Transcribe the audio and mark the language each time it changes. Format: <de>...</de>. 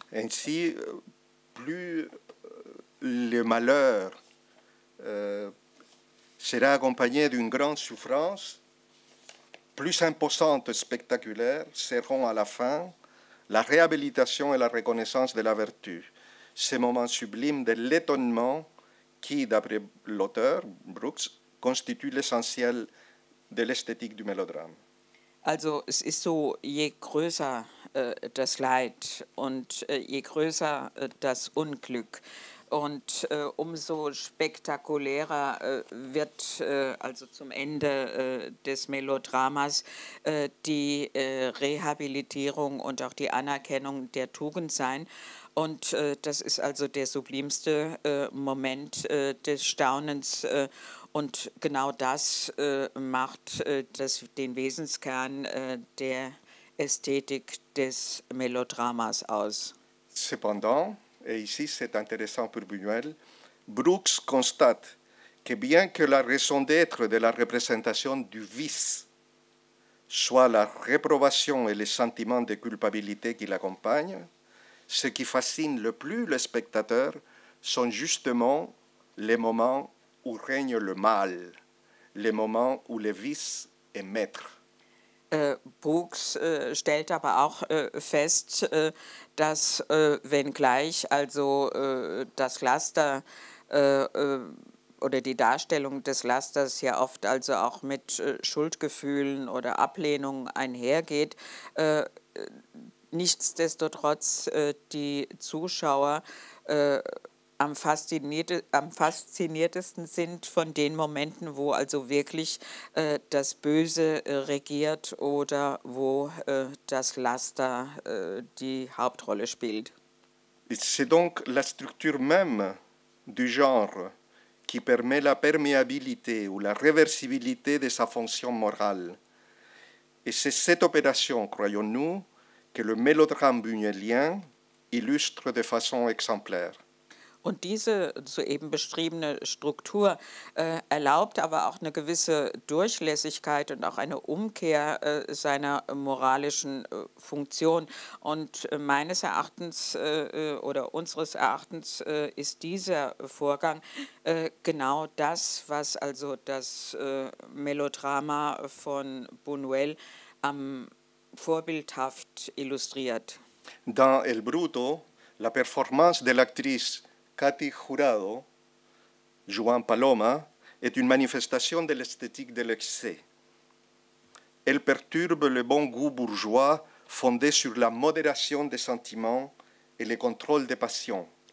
<fr>Ainsi, plus le malheur sera accompagné d'une grande souffrance, plus imposantes spectaculaires seront à la fin la réhabilitation et la reconnaissance de la vertu, ces moments sublimes de l'étonnement qui, d'après l'auteur Brooks, constituent l'essentiel de l'esthétique du mélodrame.</fr> <de>Also, es ist so, je größer das Leid und je größer das Unglück und umso spektakulärer wird also zum Ende des Melodramas die Rehabilitierung und auch die Anerkennung der Tugend sein. Und das ist also der sublimste Moment des Staunens. Und genau das macht den Wesenskern der Ästhetik des Melodramas aus.</de> <fr>Cependant, et ici c'est intéressant pour Buñuel, Brooks constate que bien que la raison d'être de la représentation du vice soit la réprobation et le sentiment de culpabilité qui l'accompagne, ce qui fascine le plus le spectateur sont justement les moments où règne le mal, les moments où le vice est maître.</fr> <de>Brooks stellt aber auch fest, dass wenngleich also das Laster oder die Darstellung des Lasters ja oft also auch mit Schuldgefühlen oder Ablehnung einhergeht, nichtsdestotrotz die Zuschauer am fasziniertesten sind von den Momenten, wo also wirklich das Böse regiert oder wo das Laster die Hauptrolle spielt.</de> <fr>C'est donc la structure même du genre qui permet la perméabilité ou la réversibilité de sa fonction morale. Et c'est cette opération, croyons-nous, que le mélodrame buñuelien illustre de façon exemplaire.</fr> <de>Und diese soeben beschriebene Struktur erlaubt aber auch eine gewisse Durchlässigkeit und auch eine Umkehr seiner moralischen Funktion. Und meines Erachtens oder unseres Erachtens ist dieser Vorgang genau das, was also das Melodrama von Buñuel vorbildhaft illustriert.</de> <fr>Dans El Bruto, la performance de l'actrice Cathy Jurado, jouant Paloma, est une manifestation de l'esthétique de l'excès. Elle perturbe le bon goût bourgeois fondé sur la modération des sentiments et le contrôle des passions.</fr>